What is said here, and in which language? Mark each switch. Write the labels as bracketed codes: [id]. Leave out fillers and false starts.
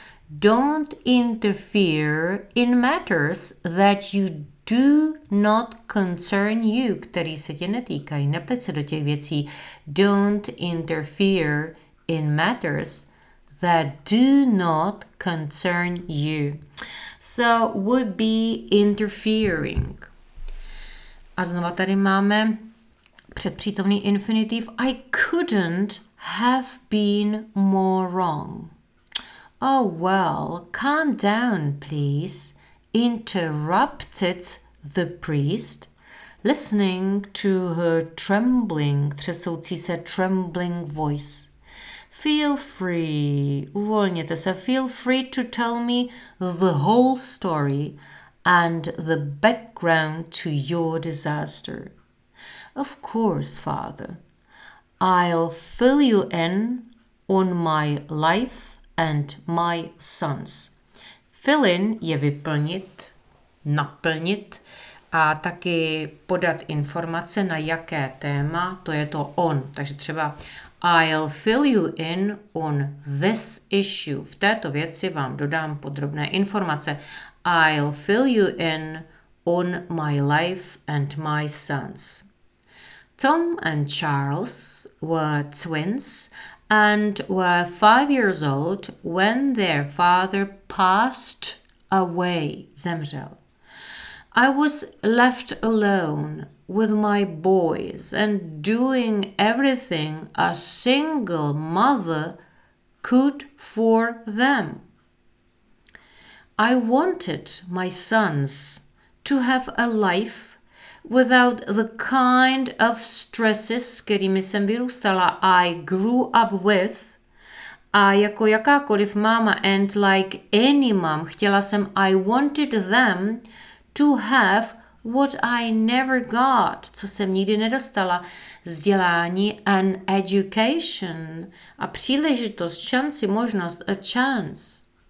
[en] "Don't interfere in matters that you do not concern you," [cs] který se tě netýkají, nepleť se do těch věcí. [en] "Don't interfere in matters that do not concern you." So would be interfering. [cs] A znova tady máme předpřítomný infinitiv. [en] I couldn't have been more wrong. "Oh well, calm down, please," interrupted the priest, listening to her trembling, [cs] třesoucí se, [en] trembling voice. "Feel free," [cs] uvolněte se, [en] "feel free to tell me the whole story and the background to your disaster." "Of course, Father. I'll fill you in on my life and my sons." [cs] Fill in je vyplnit, naplnit a taky podat informace na jaké téma, to je to on. Takže třeba [en] "I'll fill you in on this issue." [cs] V této věci vám dodám podrobné informace. [en] "I'll fill you in on my life and my sons. Tom and Charles were twins and were 5 years old when their father passed away," [cs] zemřel. [en] "I was left alone with my boys and doing everything a single mother could for them. I wanted my sons to have a life without the kind of stresses, [cs] kterými jsem vyrůstala, [en] I grew up with, [cs] a jako jakákoliv máma, [en] and like any mom, [cs] chtěla jsem, [en] I wanted them to have what I never got, [cs] co jsem nikdy nedostala, vzdělání, [en] an education, [cs] a příležitost, šanci, možnost, [en] a chance.